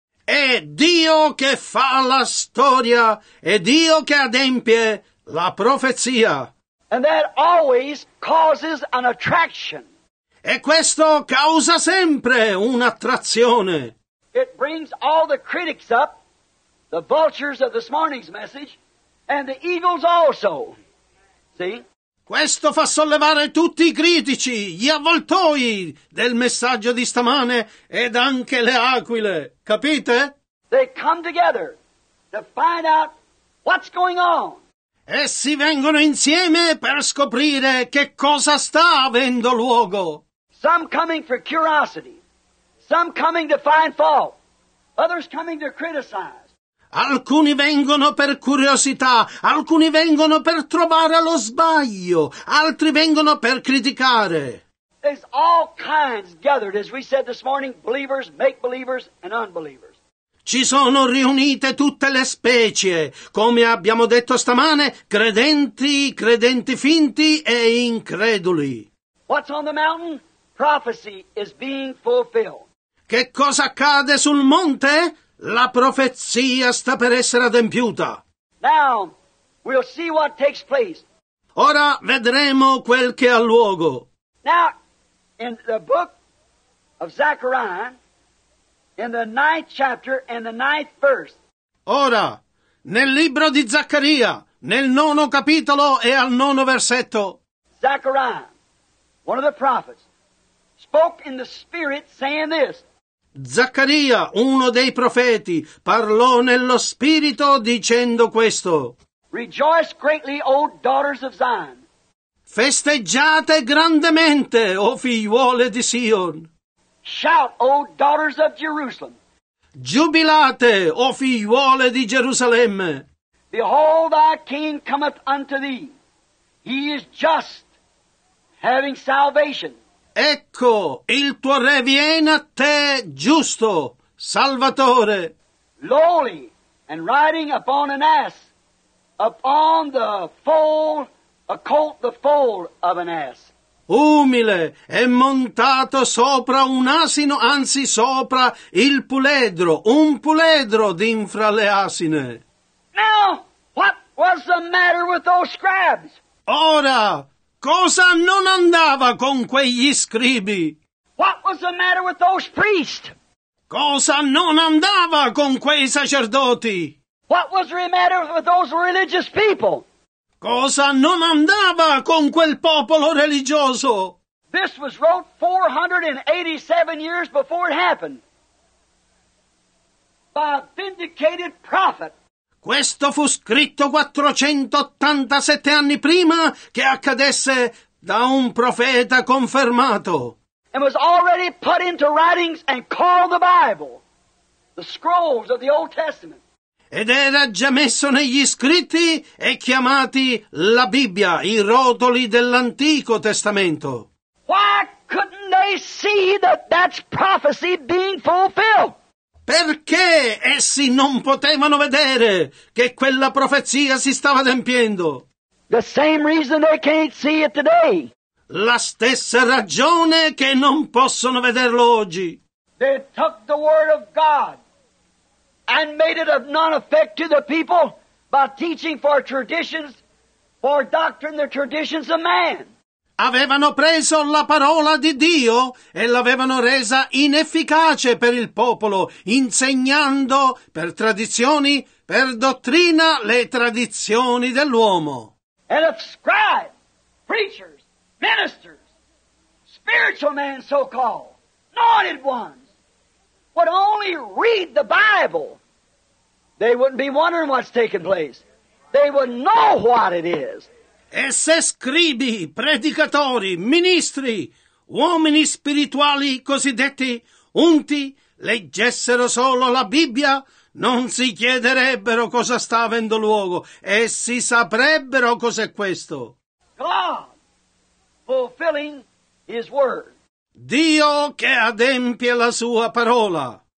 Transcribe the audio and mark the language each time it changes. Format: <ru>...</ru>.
<it>È Dio che fa la storia, è Dio che adempie la profezia.</it> <en>And that always causes an attraction.</en> <it>E questo causa sempre un'attrazione.</it> <en>It brings all the critics up, the vultures of this morning's message, and the eagles also. See?</en> <it>Questo fa sollevare tutti i critici, gli avvoltoi del messaggio di stamane ed anche le aquile. Capite?</it> <en>They come together to find out what's going on.</en> <it>Essi vengono insieme per scoprire che cosa sta avendo luogo.</it> <en>Some coming for curiosity. Some coming to find fault. Others coming to criticize.</en> <it>Alcuni vengono per curiosità, alcuni vengono per trovare lo sbaglio, altri vengono per criticare.</it> <en>There's all kinds gathered, as we said this morning, believers, make believers and unbelievers.</en> <it>Ci sono riunite tutte le specie, come abbiamo detto stamane, credenti, credenti finti e increduli.</it> <en>What's on the mountain? Prophecy is being fulfilled.</en> <it>Che cosa accade sul monte? La profezia sta per essere adempiuta.</it> <en>Now, we'll see what takes place.</en> <it>Ora vedremo quel che ha luogo.</it> <en>Now, in the book of Zechariah, in the ninth chapter and the ninth verse.</en> <it>Ora, nel libro di Zaccaria, nel nono capitolo e al nono versetto.</it> <en>Zechariah, one of the prophets, spoke in the spirit saying this.</en> <it>Zaccaria, uno dei profeti, parlò nello spirito dicendo questo.</it> <en>Rejoice greatly, O daughters of Zion.</en> <it>Festeggiate grandemente, o figliuole di Sion.</it> <en>Shout, O daughters of Jerusalem.</en> <it>Giubilate, o figliuole di Gerusalemme.</it> <en>Behold, thy king cometh unto thee. He is just, having salvation.</en> <it>Ecco, il tuo re viene a te giusto, salvatore.</it> <en>Lowly, and riding upon an ass, upon the foal, a colt, the foal of an ass.</en> <it>Umile e montato sopra un asino, anzi sopra il puledro, un puledro d'infra le asine.</it> <en>Now, what was the matter with those scribes?</en> <it>Ora, cosa non andava con quegli scribi?</it> <en>What was the matter with those priests?</en> <it>Cosa non andava con quei sacerdoti?</it> <en>What was the matter with those religious people?</en> <it>Cosa non andava con quel popolo religioso?</it> <en>This was wrote 487 years before it happened. By a vindicated prophet.</en> <it>Questo fu scritto 487 anni prima che accadesse da un profeta confermato.</it> <en>And was already put into writings and called the Bible, the scrolls of the Old Testament.</en> <it>Ed era già messo negli scritti e chiamati la Bibbia, i rotoli dell'Antico Testamento.</it> <en>Why couldn't they see that that's prophecy being fulfilled?</en> <it>Perché essi non potevano vedere che quella profezia si stava adempiendo?</it> <en>The same reason they can't see it today.</en> <it>La stessa ragione che non possono vederlo oggi.</it> <en>They took the word of God and made it of none effect to the people by teaching for traditions, for doctrine, the traditions of man.</en> <it>Avevano preso la parola di Dio e l'avevano resa inefficace per il popolo, insegnando per tradizioni, per dottrina, le tradizioni dell'uomo.</it> <en>And if scribes, preachers, ministers, spiritual men so-called, anointed ones, would only read the Bible, they wouldn't be wondering what's taking place. They would know what it is.</en> <it>E se scribi, predicatori, ministri, uomini spirituali cosiddetti unti, leggessero solo la Bibbia, non si chiederebbero cosa sta avendo luogo. Essi saprebbero cos'è questo.</it> <en>God fulfilling His word.</en> <it>Dio che adempie la sua parola.</it>